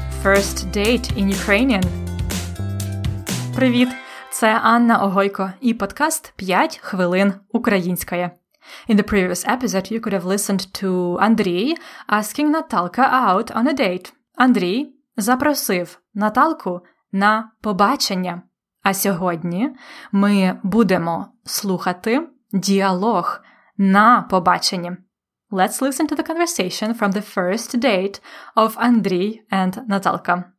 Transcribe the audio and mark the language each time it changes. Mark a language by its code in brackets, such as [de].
[en] First date in Ukrainian. [uk] Привіт! Це Анна Огойко і подкаст «5 хвилин української». [en] In the previous episode, you could have listened to Андрій asking Наталка out on a date. [uk] Андрій запросив Наталку на побачення. А сьогодні ми будемо слухати діалог на побаченні. [en] Let's listen to the conversation from the first date of Андрій and Наталка.